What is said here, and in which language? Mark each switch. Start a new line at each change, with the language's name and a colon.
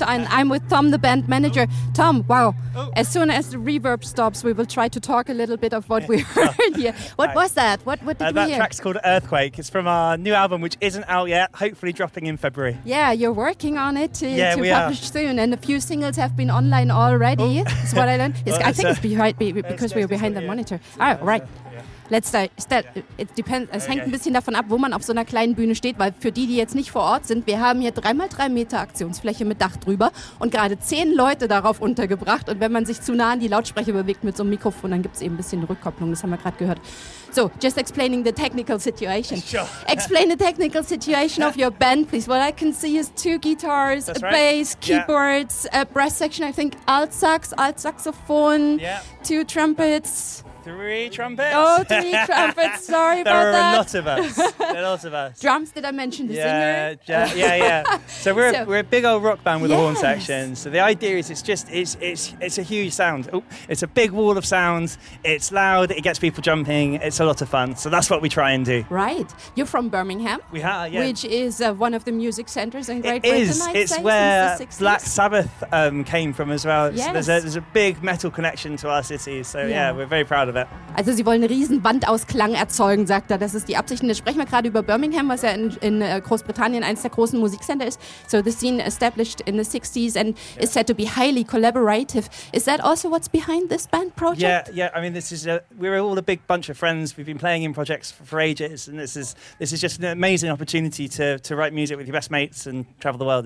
English: And I'm with Tom, the band manager. Tom, wow. As soon as the reverb stops, we will try to talk a little bit of what we heard here. What was that? What did we hear? That track's called Earthquake. It's from our new album, which isn't out yet, hopefully dropping in February. Yeah, you're working on it to publish soon. And a few singles have been online already. That's what I learned. I think it's behind the monitor. Right.
German: Es hängt ein bisschen davon ab, wo man auf so einer kleinen Bühne steht, weil für die, die jetzt nicht vor Ort sind, wir haben hier 3x3 Meter Aktionsfläche mit Dach drüber und gerade 10 Leute darauf untergebracht. Und wenn man sich zu nah an die Lautsprecher bewegt mit so einem Mikrofon, dann gibt es eben ein bisschen Rückkopplung, das haben wir gerade gehört.
English: So, just explaining the technical situation. Sure. Explain the technical situation of your band, please. What I can see is 2 guitars, that's a right. bass, keyboards, a brass section, I think alt saxophone, 2 trumpets. 3 trumpets. Oh, 3 trumpets. Sorry about that. There are a lot of us. Drums, did I mention the singer? Yeah. So we're a big old rock band with a horn section. So the idea is it's a huge sound. It's a big wall of sound. It's loud. It gets people jumping. It's a lot of fun. So that's what we try and do. Right. You're from Birmingham. We are, yeah. Which is one of the music centres in Great Britain, I'd say. It is. It's where Black Sabbath came from as well. Yes. So there's a big metal connection to our city. So yeah, we're very proud.
German: Also sie wollen eine riesen Wand aus Klang erzeugen, sagt er. Das ist die Absicht. Und jetzt sprechen wir gerade über Birmingham, was ja in Großbritannien eines der großen Musikcenter ist.
English: So the scene established in the 60s and is said to be highly collaborative. Is that also what's behind this band project? Yeah. I mean, we're all a big bunch of friends. We've been playing in projects for ages. And this is just an amazing opportunity to write music with your best mates and travel the world.